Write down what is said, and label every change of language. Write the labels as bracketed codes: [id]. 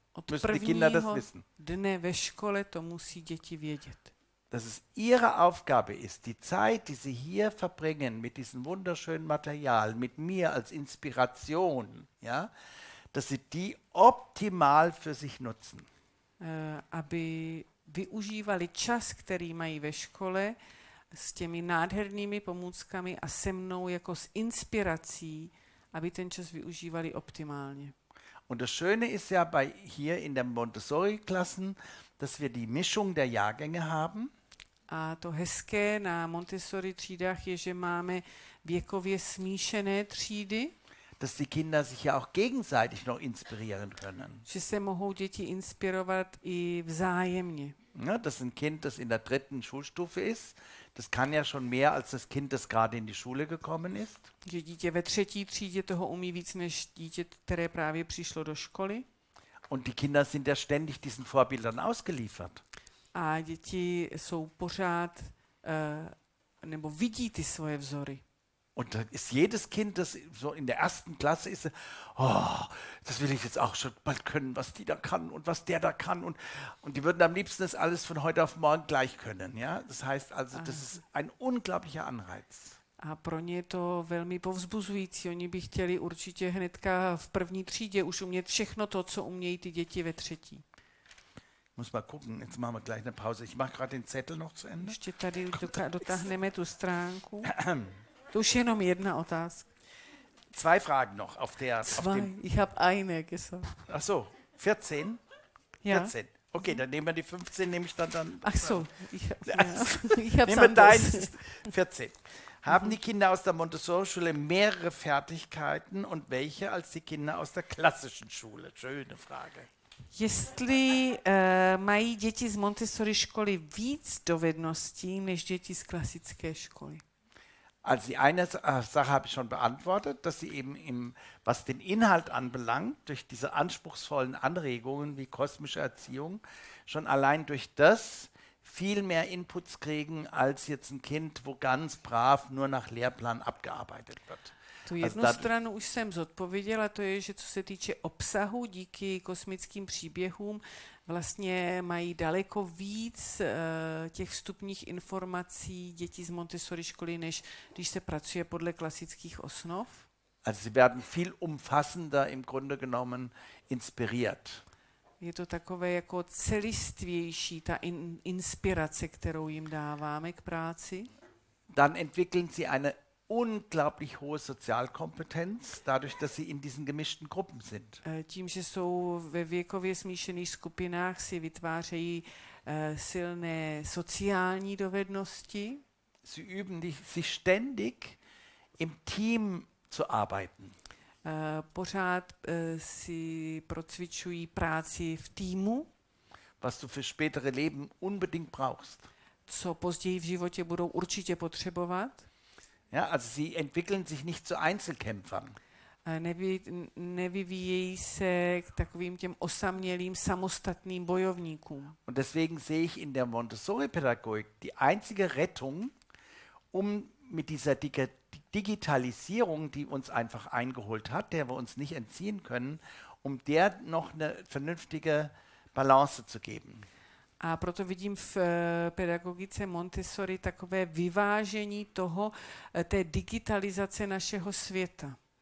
[cs] Od prvního dne ve škole to musí děti vědět. [de] Dass es ihre Aufgabe ist, die Zeit, die sie hier verbringen mit diesem wunderschönen Material, mit mir als Inspiration, ja, dass sie die optimal für sich nutzen. [cs] Aby využívali čas, který mají ve škole, s těmi nádhernými pomůckami a se mnou jako s inspirací, aby ten čas využívali optimálně. [de] Und das Schöne ist ja bei hier in der Montessori-Klassen, dass wir die Mischung der Jahrgänge haben. [cs] A to hezké na Montessori třídách je, že máme věkově smíšené třídy. [de] Dass die Kinder sich ja auch gegenseitig noch inspirieren können. [cs] Že se mohou děti inspirovat i vzájemně. [de] Ja, dass ein Kind, das in der dritten Schulstufe ist, das kann ja schon mehr als das Kind, das gerade in die Schule gekommen ist. [cs] Že dítě ve třetí třídě toho umí víc než dítě, které právě přišlo do školy. [de] Und die Kinder sind ja ständig diesen Vorbildern ausgeliefert. [cs] A děti jsou pořád nebo vidí ty svoje vzory. [de] Und dann ist jedes Kind, das so in der ersten Klasse ist, oh, das will ich jetzt auch schon bald können, was die da kann und was der da kann. Und die würden am liebsten das alles von heute auf morgen gleich können. Ja? Das heißt also, das ist ein unglaublicher Anreiz. [cs] A pro ně je to velmi povzbuzující. Oni by chtěli určitě hnedka v první třídě už umět všechno to, co umějí ty děti ve třetí. [de] Muss mal gucken, jetzt machen wir gleich eine Pause. Ich mache gerade den Zettel noch zu Ende. [cs] Ještě tady dotáhneme tu stránku. To už jenom jedna otázka. [de] Zwei Fragen noch auf der. Zwei. Ich habe eine gesagt. Ach so, 14? Ja. 14. Okay, dann nehmen wir die 15, nehme ich dann. Ach so, ich habe es anders. 14. Haben die Kinder aus der Montessori-Schule mehrere Fertigkeiten und welche als die Kinder aus der klassischen Schule? Schöne Frage. [cs] Jestli mají děti z Montessori-Školy víc dovedností než děti z klasické školy? [de] Also die eine Sache habe ich schon beantwortet, dass sie eben, was den Inhalt anbelangt, durch diese anspruchsvollen Anregungen wie kosmische Erziehung, schon allein durch das viel mehr Inputs kriegen, als jetzt ein Kind, wo ganz brav nur nach Lehrplan abgearbeitet wird. [cs] Tu jednu also stranu už jsem zodpověděla, to je, že co se týče obsahu, díky kosmickým příběhům, vlastně mají daleko víc těch vstupních informací děti z Montessori školy, než když se pracuje podle klasických osnov. [de] Also sie werden viel umfassender im Grunde genommen inspiriert. [cs] Je to takové jako celistvější ta inspirace, kterou jim dáváme k práci. [de] Dann entwickeln sie eine unglaublich hohe Sozialkompetenz, dadurch, dass sie in diesen gemischten Gruppen sind. [cs] Tím, že jsou ve věkově smíšených skupinách, si vytvářejí silné sociální dovednosti. [de] Sie üben sich ständig im Team zu arbeiten. [cs] Pořád si procvičují práci v týmu. [de] Was du für spätere Leben unbedingt brauchst. [cs] Co později v životě budou určitě potřebovat. [de] Ja, also sie entwickeln sich nicht zu Einzelkämpfern. [cs] Nevyvíjejí se k takovým těm osamělým samostatným bojovníkům. [de] Und deswegen sehe ich in der Montessori-Pädagogik die einzige Rettung, um mit dieser Digitalisierung, die uns einfach eingeholt hat, der wir uns nicht entziehen können, um der noch eine vernünftige Balance zu geben. [cs] A proto vidím v pedagogice Montessori takové vyvážení toho, té digitalizace našeho světa.